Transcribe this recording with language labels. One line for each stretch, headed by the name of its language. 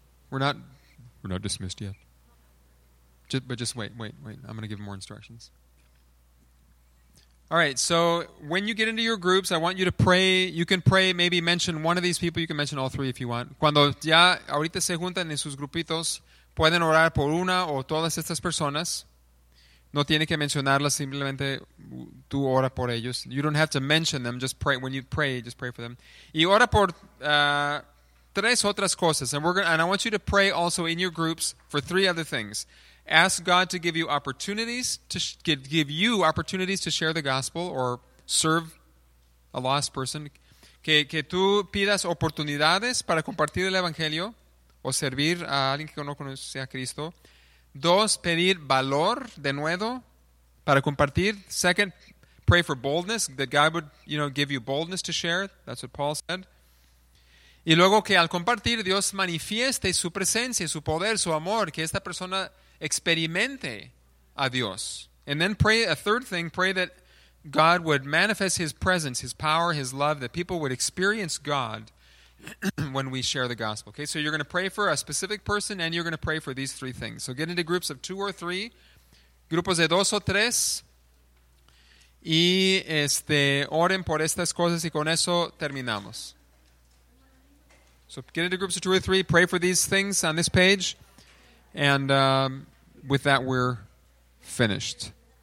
English: We're not dismissed yet. Just wait. I'm going to give more instructions. All right, so when you get into your groups, I want you to pray. You can pray, maybe mention one of these people. You can mention all three if you want.
Spanish: Cuando ya ahorita se juntan en sus grupitos, pueden orar por una o todas estas personas. No tiene que mencionarlas, simplemente tú ora por ellos.
English: You don't have to mention them. Just pray. When you pray, just pray for them.
Spanish: Y ora por tres otras cosas.
English: And I want you to pray also in your groups for three other things. Ask God to give you opportunities to share the gospel or serve a lost person.
Spanish: Que tú pidas oportunidades para compartir el evangelio o servir a alguien que no conoce a Cristo. Dos, pedir valor de nuevo para compartir.
English: Second, pray for boldness, that God would, you know, give you boldness to share. That's what Paul said.
Spanish: Y luego que al compartir Dios manifieste su presencia, su poder, su amor, que esta persona experimente a Dios.
English: And then pray a third thing, pray that God would manifest His presence, His power, His love, that people would experience God when we share the gospel. Okay, so you're going to pray for a specific person and you're going to pray for these three things. So get into groups of two or three,
Spanish: grupos de dos o tres, y oren por estas cosas y con eso terminamos.
English: So get into groups of two or three, pray for these things on this page, and with that, we're finished.